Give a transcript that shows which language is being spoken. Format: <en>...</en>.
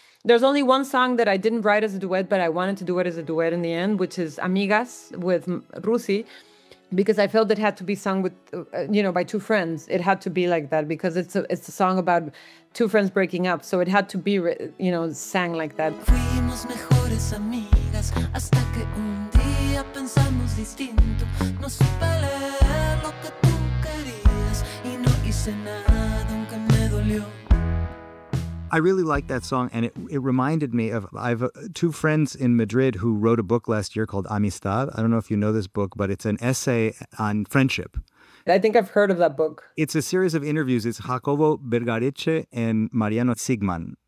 <en>There's only one song that I didn't write as a duet, but I wanted to do it as a duet in the end, which is Amigas with Rusi, because I felt it had to be sung with, you know, by two friends. It had to be like that because it's a song about two friends breaking up. So it had to be, you know, sang like that.</en> <es>Fuimos mejores amigas hasta que un día pensamos distinto. No supe leer lo que tú querías y no hice nada aunque me dolió.</es> <en>I really like that song, and it reminded me of, I have two friends in Madrid who wrote a book last year called Amistad. I don't know if you know this book, but it's an essay on friendship. I think I've heard of that book. It's a series of interviews. It's Jacobo Bergareche and Mariano Zigman.</en>